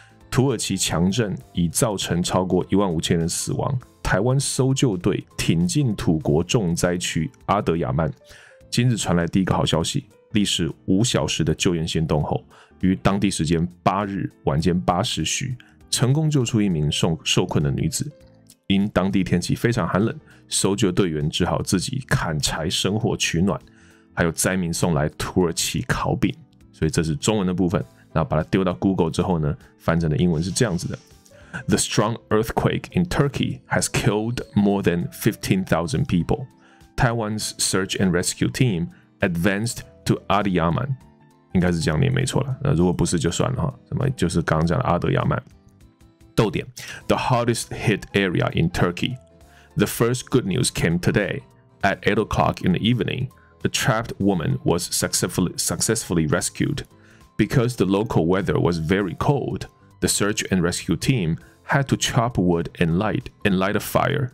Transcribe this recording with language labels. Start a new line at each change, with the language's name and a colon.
Chinese: 土耳其强震已造成超过15000人死亡，台湾搜救队挺进土国重灾区阿德亚曼，今日传来第一个好消息，历时5小时的救援行动后，于当地时间8日晚间8时许成功救出一名受困的女子。因当地天气非常寒冷，搜救队员只好自己砍柴生火取暖，还有灾民送来土耳其烤饼。所以这是中文的部分，那把它丢到 Google 之后呢，翻成的英文是这样子的。
English: The strong earthquake in Turkey has killed more than 15,000 people. Taiwan's search and rescue team advanced to Adiyaman.
Chinese: 应该是这样念没错了，那如果不是就算了哈。什么就是刚刚讲的阿德亚曼。
English: 逗点 ，The hardest hit area in Turkey. The first good news came today at 8 o'clock in the evening. A trapped woman was successfully rescued. Because the local weather was very cold, the search and rescue team had to chop wood and light a fire.